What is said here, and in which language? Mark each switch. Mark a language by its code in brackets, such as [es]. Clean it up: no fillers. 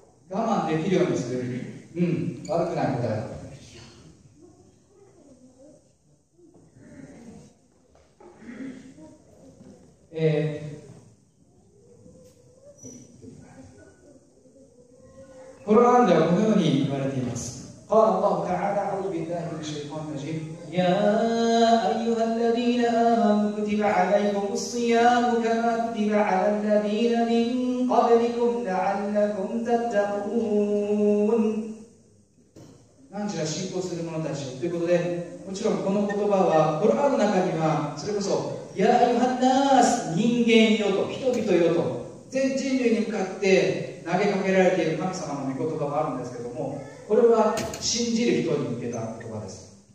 [ja] 我慢できるようにする。うん、悪くない答え。コロナではこのように言われています。 [ar] قال الله تعالى أعوذ بالله من الشيطان الرجيم يا أيها الذين آمنوا كتب عليكم الصيام كما كتب على الذين من قبلكم لعلكم تتقون [ja] なんちゃら信仰する者たちよということで、もちろんこの言葉はコラーの中にはそれこそやあいはなーす人間よと人々よと全人類に向かって投げかけられている神様の御言葉があるんですけども、これは信じる人に向けた言葉です。